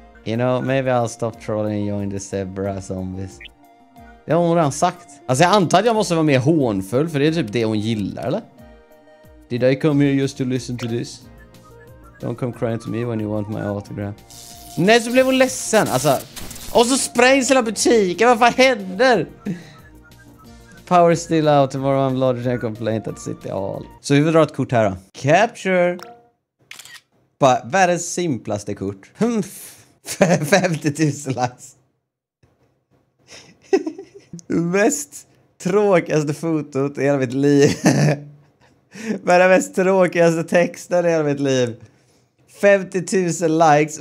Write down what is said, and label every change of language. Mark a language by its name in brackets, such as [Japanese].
[English] You know, maybe I'll stop trolling and join the zebra zombies. [Swedish] Det har hon redan sagt. Alltså jag antar att jag måste vara mer hånfull, för det är typ det hon gillar, eller? [English] Did I come here just to listen to this? Don't come crying to me when you want my autograph. [Swedish] Nej, så blev hon ledsen. Alltså. Och så sprängs hela butiken. Vad fan händer? [English] Power still out. Tomorrow I'm lodging a complaint at City Hall. [Swedish] Så vi vill dra ett kort här då. Capture. Bara världens simplaste kort. [English] 50 000 likes. [Swedish] Mest tråkigaste fotot i hela mitt liv. Men det mest tråkigaste texten i hela mitt liv. [English] 50 000 likes.